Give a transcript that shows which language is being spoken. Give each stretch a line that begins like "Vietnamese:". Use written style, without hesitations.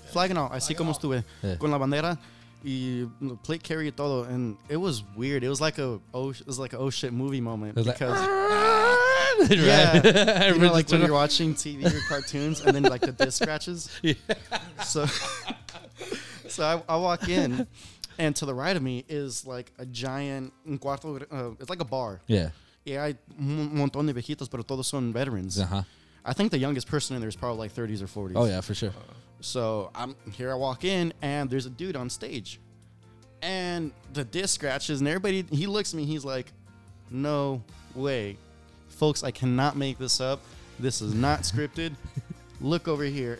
English: I see
Spanish: como estuve con la bandera
English: y plate carry todo, and it was weird. It was like a shit movie moment because you know, like when you're watching TV or cartoons and then like the disc scratches. So I walk in, and to the right of me is like a giant
Spanish: cuarto.
English: It's like a bar. Yeah,
Spanish: hay un montón de viejitos, pero todos son veterans. Uh huh.
English: I think the youngest person in there is probably like 30s or 40s. Oh, yeah, for sure. So I walk in, and there's a dude on stage. And the disc scratches, and everybody, he looks at me, he's like, no way. Folks, I cannot make this up. This is not scripted. Look over here.